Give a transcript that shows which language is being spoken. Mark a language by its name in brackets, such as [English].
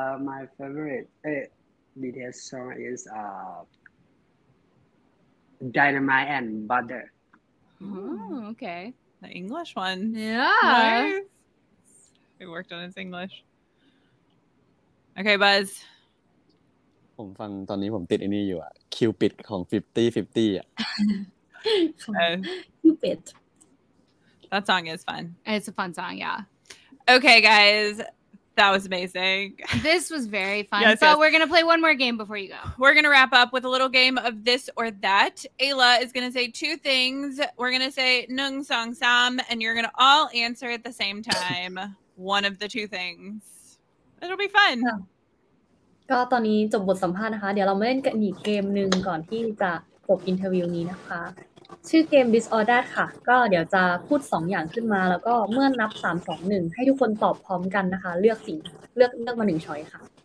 [English] My favorite BTS song is Dynamite and Butter. Oh, okay. The English one. Yeah. It worked on its English. Okay, Buzz. [Thai] ผมฟังตอนนี้ผมติดอันนี้อยู่อ่ะ Cupid ของ50 [English] Cupid. That song is fun. It's a fun song, yeah. Okay, guys. That was amazing. This was very fun. Yes, so yes. We're going to play one more game before you go. We're going to wrap up with a little game of this or that. Ayla is going to say two things. We're going to say [Thai] Nung Song Sam, [English] and you're going to all answer at the same time one of the two things. It'll be fun. [Thai] ก็ตอนนี้จบบทสัมภาษณ์นะคะเดี๋ยวเรามาเล่นกันอีกเกมนึงก่อนที่จะจบอินเทอร์วิวนี้นะคะชื่อเกม Disorder ค่ะก็เดี๋ยวจะพูด2อย่างขึ้นมาแล้วก็เมื่อนับ3 2 1ให้ทุกคนตอบพร้อมกันนะคะเลือกมา1ช้อยค่ะ